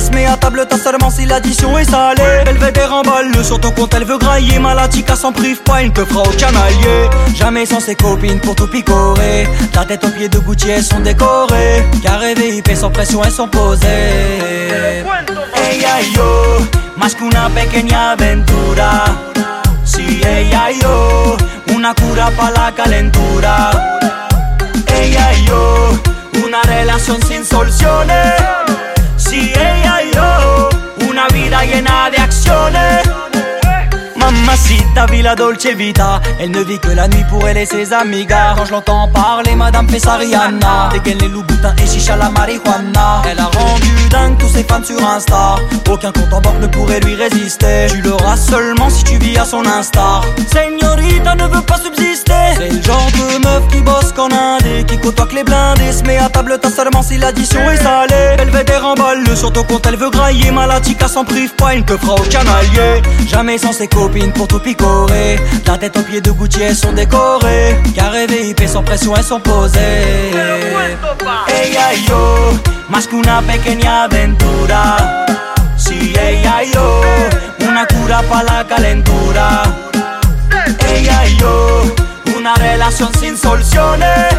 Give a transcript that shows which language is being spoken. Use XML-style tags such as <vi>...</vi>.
<fr>Se met à table, t'as seulement si l'addition est salée. Elle veut des remballes, sur ton compte, elle veut grailler. Malatica s'en prive pas, elle ne te fera aucun allié. Jamais sans ses copines pour tout picorer. Ta tête aux pieds de Gucci, elles sont décorées. Carré VIP, sans pression, elles sont posées.</fr> <es>Hey yo, más que una pequeña aventura. Si sí, hey yo, una cura pa la calentura. Hey yo, una relación sin soluciones. Si sí, hey yo, una vida llena de acciones.</es> <fr>Mamacita, vit la dolce vita. Elle ne vit que la nuit pour elle et ses amigas. Quand je l'entends parler, madame fait sa Rihanna. Dès qu'elle est louboutin et chicha la marijuana. Elle a rendu dingue tous ses fans sur Insta. Aucun compte en banque ne pourrait lui résister. Tu l'auras seulement si tu vis à son instar. Señorita ne veut pas subsister. C'est le genre de meuf qui bosse qu'en indé, qui côtoie que les blindés. Se met à table, t'as seulement si l'addition est salée. Elle veut des remballes sur ton compte, elle veut grailler. Malatica s'en prive pas, elle ne te fera aucun allié. Jamais sans ses copines pour tout picorer. La tête aux pieds de Gucci, elles sont décorées. Carré VIP, sans pression, elles sont posées.</fr> <es>Hey yo, más que una pequeña aventura. Si sí, hey yo, una cura pa la calentura. Hey yo, una relación sin soluciones.</es>